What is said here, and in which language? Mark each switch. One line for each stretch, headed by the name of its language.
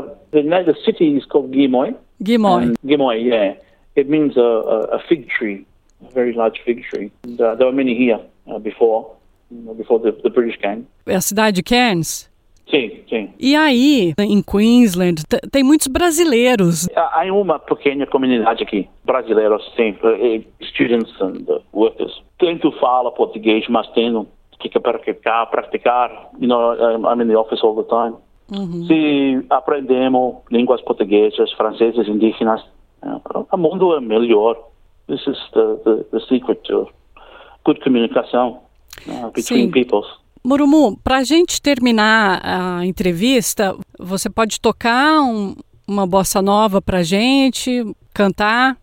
English: The city is called Gimoi. Gimoi. Gimoi, yeah. It means a fig tree, a very large fig tree. There were many here before the British came.
Portuguese: É a cidade de Cairns? Sim. E aí, em Queensland, tem muitos brasileiros. Há uma pequena comunidade aqui, brasileiros, sim.
English: Students and workers.
Portuguese: Tento falar português, mas tendo que praticar,
English: you know, I'm in the office all the time.
Portuguese: Se aprendemos línguas portuguesas, francesas, indígenas, o mundo é melhor.
English: This is the secret to good communication between peoples.
Portuguese: Murumu, para a gente terminar a entrevista, você pode tocar uma bossa nova para a gente, cantar?